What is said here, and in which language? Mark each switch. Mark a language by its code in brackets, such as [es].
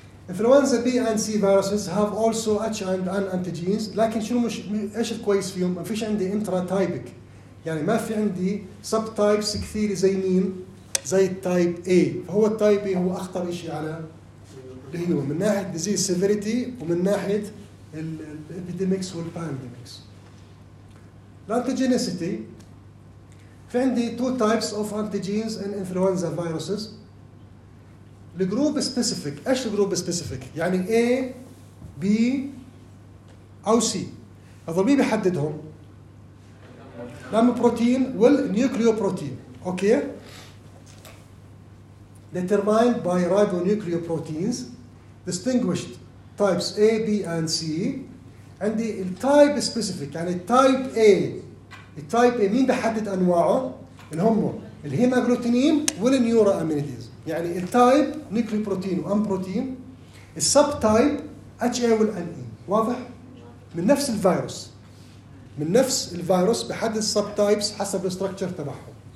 [en] influenza B and C viruses have also H and N antigens, [ar] لكن شنو مش ايش الكويس فيهم؟ ما فيش عندي انترا تايبك، يعني ما في عندي سب تايبس كثير زي مين؟ زي التايب اي. فهو التايب اي هو اخطر شيء على الهيومن من ناحيه ديزيز سيفيريتي ومن ناحيه الابيديميكس والبانديميكس. الانتيجينيسيتي، في عندي [en] two types of antigens in influenza viruses. The group specific، إيش the group specific؟ يعني A, B أو C. [ar] هذا مين بيحددهم؟ لام بروتين والنيوكليو بروتين. [en] Okay? Determined by ribonucleoproteins. Distinguished types A, B and C. عندي type specific، يعني type A. [ar] Type A مين بيحدد أنواعه؟ الهم الهيماجلوتينين والنيورا أمينيديز. يعني التايب نيوكليو بروتين وام بروتين، السب تايب اتش اي والان اي. واضح؟ من نفس الفيروس، من نفس الفيروس بحدد السب تايبس حسب الاستراكشر تبعهم.